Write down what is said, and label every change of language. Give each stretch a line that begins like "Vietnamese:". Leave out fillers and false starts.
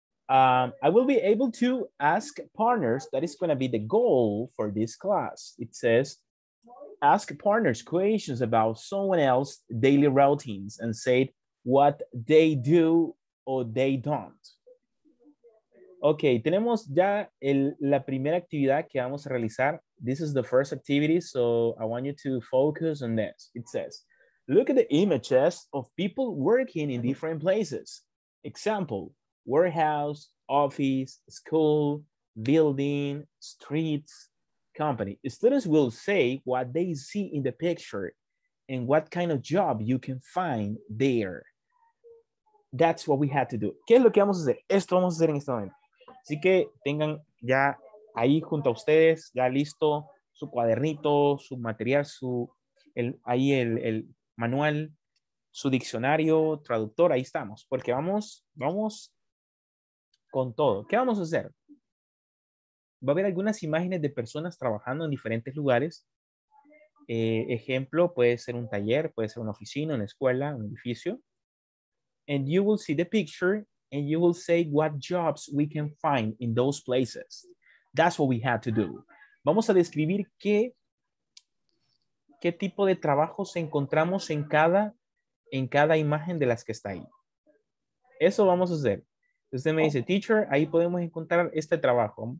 English: I will be able to ask partners. That is going to be the goal for this class. It says, ask partners questions about someone else's daily routines and say what they do or they don't.
Spanish: Okay, tenemos ya la primera actividad que vamos a realizar.
English: This is the first activity, so I want you to focus on this. It says, look at the images of people working in different places. Example, warehouse, office, school, building, streets, company. Students will say what they see in the picture and what kind of job you can find there. That's what we had to do.
Spanish: ¿Qué es lo que vamos a hacer? Esto vamos a hacer en este momento. Así que tengan ya ahí junto a ustedes, ya listo su cuadernito, su material, el manual, su diccionario, traductor, ahí estamos. Porque vamos con todo. ¿Qué vamos a hacer? Va a haber algunas imágenes de personas trabajando en diferentes lugares. Ejemplo, puede ser un taller, puede ser una oficina, una escuela, un edificio.
English: And you will see the picture. And you will say what jobs we can find in those places. That's what we had to do.
Spanish: Vamos a describir qué tipo de trabajos encontramos en cada imagen de las que está ahí. Eso vamos a hacer. Usted me dice, teacher, ahí podemos encontrar este trabajo.